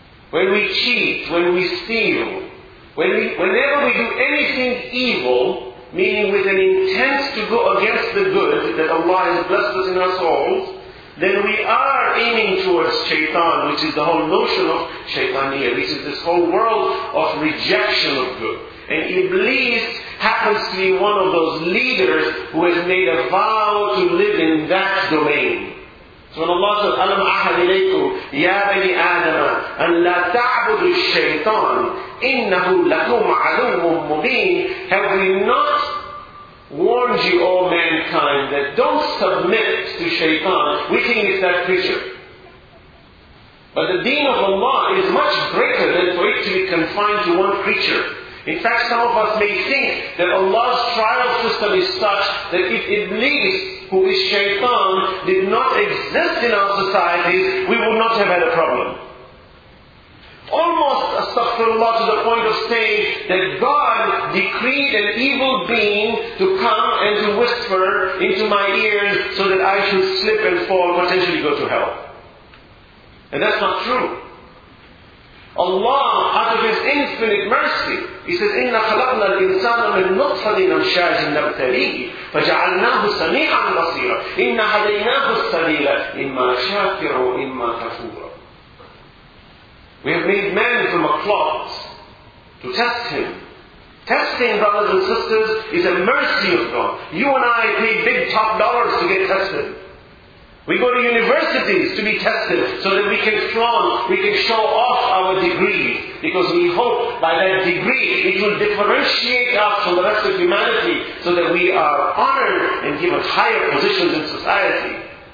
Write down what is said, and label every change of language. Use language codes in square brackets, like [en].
[en] When we cheat, when we steal, whenever we do anything evil, meaning with an intent to go against the good that Allah has blessed us in our souls, then we are aiming towards shaitan, which is the whole notion of shaitaniyah. This is this whole world of rejection of good. And Iblis happens to be one of those leaders who has made a vow to live in that domain. So when Allah says, [ar] أَلَمْ أَحَدْ إِلَيْكُمْ يَا بَنِي آدَمَ أَنْ لَا تَعْبُدُ الشَّيْطَانِ إِنَّهُ لَكُمْ عَلُمٌ مُّبِينٌ. [en] Have we not warned you, all mankind, that don't submit to shaitan? We think it's that creature. But the deen of Allah is much greater than for it to be confined to one creature. In fact, some of us may think that Allah's trial system is such that if Iblis, who is shaitan, did not exist in our societies, we would not have had a problem. Almost, astaghfirullah, to the point of saying that God decreed an evil being to come and to whisper into my ears so that I should slip and fall, potentially go to hell. And that's not true. Allah, out of His infinite mercy, He says, [ar] إِنَّ خَلَقْنَا الْإِنسَانَ مِنْ نُطْفَةٍ أَمْشَاجٍ نَبْتَلِيهِ فَجَعَلْنَاهُ سَمِيعًا بَصِيرًا إِنَّ هَدَيْنَاهُ السَّبِيلَ إِمَّا شَاكِرًا وَإِمَّا كَفُورًا. [en] We have made man from a clot to test him. Testing, brothers and sisters, is a mercy of God. You and I pay big top dollars to get tested. We go to universities to be tested so that we can flaunt, we can show off our degrees, because we hope by that degree it will differentiate us from the rest of humanity so that we are honored and given higher positions in society.